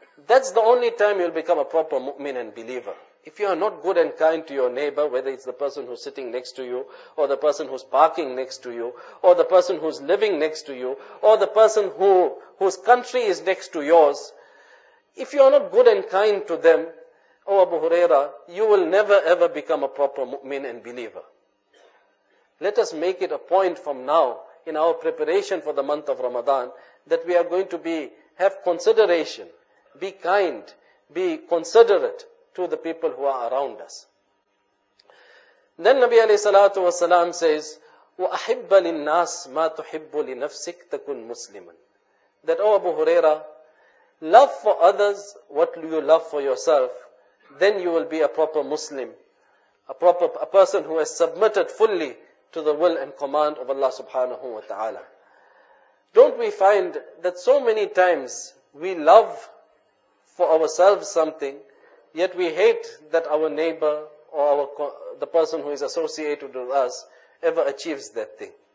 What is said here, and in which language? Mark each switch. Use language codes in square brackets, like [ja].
[en] That's the only time you'll become a proper mu'min and believer. If you are not good and kind to your neighbor, whether it's the person who's sitting next to you, or the person who's parking next to you, or the person who's living next to you, or the person whose country is next to yours, if you are not good and kind to them, oh Abu Huraira, you will never ever become a proper mu'min and believer. Let us make it a point from now, in our preparation for the month of Ramadan, that we are going to have consideration, be kind, be considerate to the people who are around us. Then Nabi alayhi salatu wasalam says, [ar] وَأَحِبَّ لِلنَّاسِ مَا تُحِبُّ لِنَفْسِكَ تَكُنْ مُسْلِمًا. [en] That, oh Abu Huraira, love for others what you love for yourself, then you will be a proper Muslim, a person who has submitted fully to the will and command of Allah subhanahu wa ta'ala. Don't we find that so many times we love for ourselves something, yet we hate that our neighbor or the person who is associated with us ever achieves that thing.